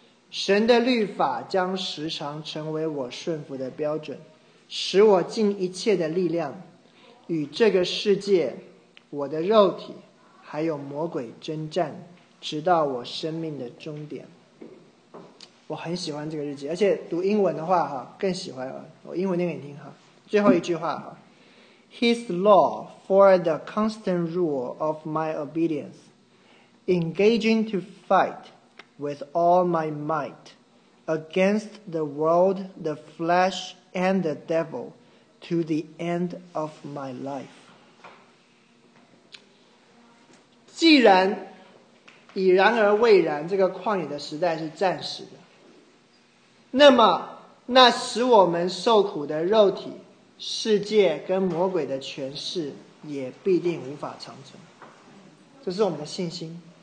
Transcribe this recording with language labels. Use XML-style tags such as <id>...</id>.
<zh>神的律法将时常成为我顺服的标准，使我尽一切的力量与这个世界、我的肉体还有魔鬼征战，直到我生命的终点。我很喜欢这个日记，而且读英文的话更喜欢，我英文念给你听哈。最后一句话哈</zh> <en>His law for the constant rule of my obedience, engaging to fight with all my might against the world, the flesh, and the devil to the end of my life.</en> <zh>既然已然而未然，这个旷野的时代是暂时的，那么那使我们受苦的肉体、世界跟魔鬼的权势也必定无法长存，这是我们的信心。</zh>